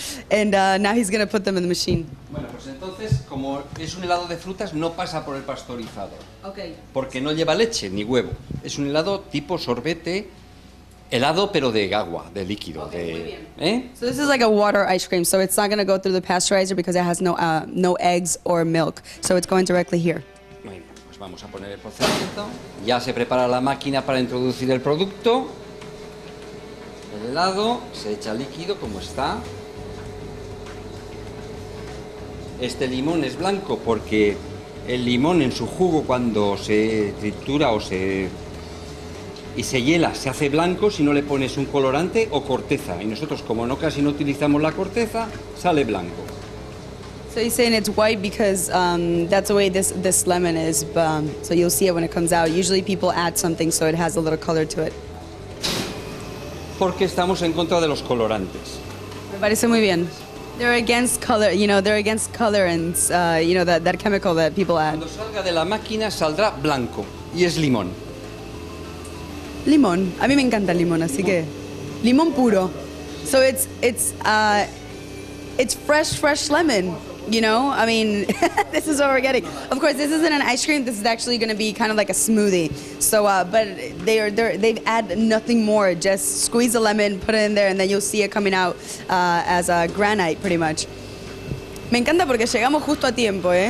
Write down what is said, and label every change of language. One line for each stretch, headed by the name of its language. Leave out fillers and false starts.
English: And now he's going to put them in the machine.
Spanish: Bueno, pues entonces, como es un helado de frutas, no pasa por el pasteurizador.
English: Okay.
Spanish: Porque no lleva leche ni huevo. Es un helado tipo sorbete, helado pero de agua, de líquido.
English: Okay,
Spanish: de, muy bien.
English: So this is like a water ice cream, so it's not going to go through the pasteurizer because it has no no eggs or milk, so it's going directly here.
Spanish: Muy bien, pues vamos a poner el procedimiento. Ya se prepara la máquina para introducir el producto. El helado se echa líquido como está. Este limón es blanco porque el limón en su jugo cuando se tritura o se... Y se hiela, se hace blanco si no le pones un colorante o corteza. Y nosotros, como no casi no utilizamos la corteza, sale blanco.
English: So he's saying it's white because that's the way this lemon is. But, so you'll see it when it comes out. Usually people add something so it has a little color to it.
Spanish: Porque estamos en contra de los colorantes. Me parece muy bien.
English: They're against color, you know, they're against color and, you know, that chemical that people add.
Spanish: Cuando salga de la máquina saldrá blanco y es limón. Limón. A mí me encanta el limón, así limón. Que limón puro.
English: So it's fresh lemon, you know? I mean, this is what we're getting. Of course, this isn't an ice cream. This is actually going to be kind of like a smoothie. So but they've added nothing more. Just squeeze the lemon, put it in there and then you'll see it coming out as a granite pretty much.
Spanish: Me encanta porque llegamos justo a tiempo, ¿eh?